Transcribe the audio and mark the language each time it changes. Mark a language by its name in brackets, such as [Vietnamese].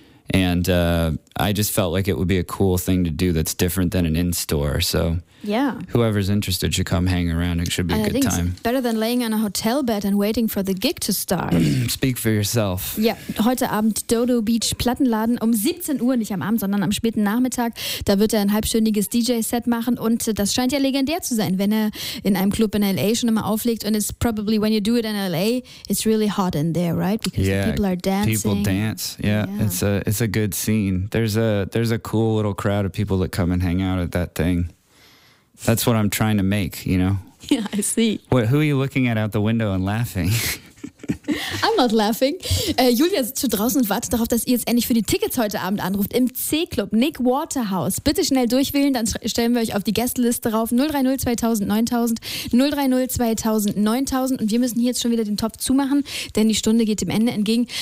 [English] I just felt like it would be a cool thing to do that's different than an in-store. So yeah, whoever's interested should come hang around. It should be a good time. It's better than laying on a hotel bed and waiting for the gig to start. Speak for yourself. [German] Yeah, heute Abend Dodo Beach Plattenladen um 17 Uhr, nicht am Abend, sondern am späten Nachmittag. Da wird er ein halbstündiges DJ-Set machen und das scheint ja legendär zu sein, wenn er in einem Club in L.A. schon immer auflegt. [English] And it's probably, when you do it in L.A., it's really hot in there, right? Because people are dancing. People dance. Yeah. It's a good scene. There's a cool little crowd of people that come and hang out at that thing. That's what I'm trying to make, you know? Yeah, I see. What, who are you looking at out the window and laughing? I'm not laughing. [German] Julia sitzt schon draußen und wartet darauf, dass ihr jetzt endlich für die Tickets heute Abend anruft. Im C-Club, Nick Waterhouse. Bitte schnell durchwählen, dann stellen wir euch auf die Gästeliste rauf. 030 2000 9000, 030 2000 9000. Und wir müssen hier jetzt schon wieder den Topf zumachen, denn die Stunde geht dem Ende entgegen.